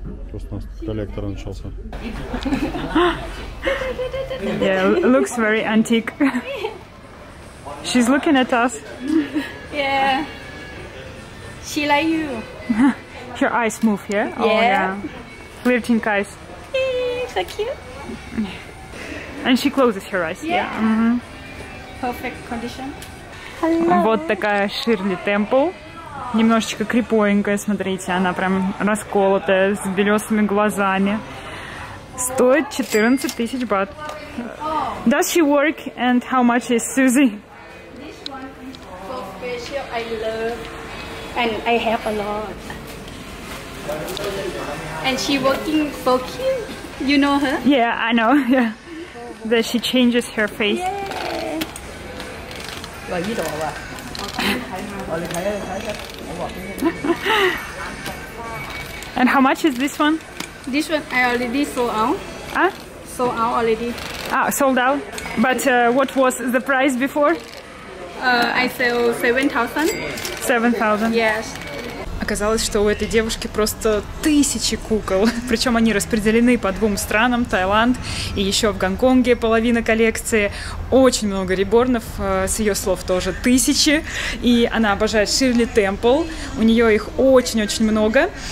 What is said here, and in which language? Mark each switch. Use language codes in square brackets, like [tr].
[ru] Просто у нас коллектор начался. [en] Yeah, looks very antique. She's looking at us. Yeah. She like you. Your eyes move, yeah? Yeah. Oh, yeah. Flirting eyes. So cute. And she closes her eyes. Yeah. Mm-hmm. Perfect condition. [ru] Hello. Вот такая Ширли Темпл. Немножечко крипоенькая, смотрите. Она прям расколотая, с белесыми глазами. Стоит 14 тысяч бат. [en] Does she work and how much is Susie? This one is so special. I love and I have a lot. And she working for Kim. You know her? Yeah, I know. Yeah. That she changes her face. And how much is this one? This one I already sold out. Huh? Sold out already. Ah, sold out. But what was the price before? I sell 7,000. 7,000. Yes. [ru] Оказалось, что у этой девушки просто тысячи кукол. Причем они распределены по двум странам, Таиланд и еще в Гонконге половина коллекции. Очень много реборнов, с ее слов тоже тысячи. И она обожает Ширли Темпл, у нее их очень-очень много.